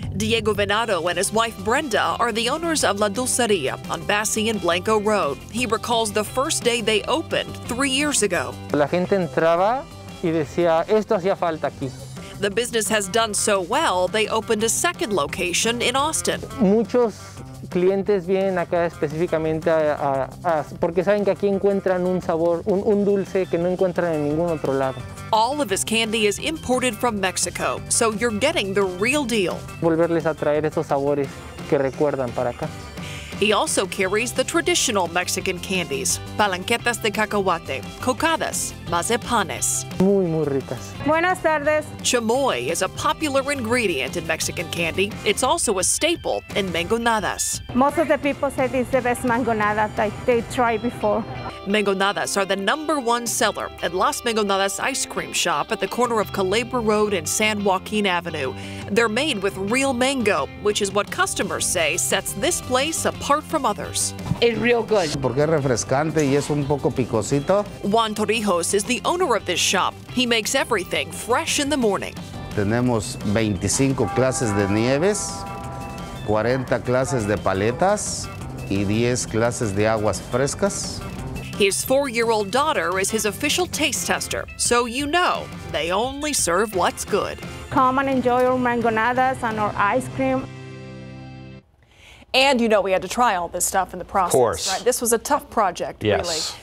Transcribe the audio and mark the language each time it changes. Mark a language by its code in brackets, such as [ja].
[en] Diego Venado and his wife Brenda are the owners of La Dulcería on Bassey and Blanco Road. He recalls the first day they opened 3 years ago. [es] La gente entraba y decía, esto hacía falta aquí. [en] The business has done so well, they opened a second location in Austin. [es] Muchos clientes vienen acá específicamente a porque saben que aquí encuentran un sabor, un dulce que no encuentran en ningún otro lado. [en] All of his candy is imported from Mexico, so you're getting the real deal. [es] Volverles a traer esos sabores que recuerdan para acá. [en] He also carries the traditional Mexican candies, palanquetas de cacahuate, cocadas, mazapanes. [es] Muy, muy ricas. Buenas tardes. [en] Chamoy is a popular ingredient in Mexican candy. It's also a staple in mangonadas. Most of the people say this is the best mangonada that they tried before. Mangonadas are the number one seller at Las Mangonadas Ice Cream Shop at the corner of Calabria Road and San Joaquin Avenue. They're made with real mango, which is what customers say sets this place apart from others. It's real good. [es] Porque es refrescante y es un poco picosito. [en] Juan Torrijos is the owner of this shop. He makes everything fresh in the morning. [es] Tenemos 25 clases de nieves, 40 clases de paletas y 10 clases de aguas frescas. [en] His four-year-old daughter is his official taste tester, so you know they only serve what's good. Come and enjoy our mangonadas and our ice cream. And you know we had to try all this stuff in the process. Of course. Right? This was a tough project, yes.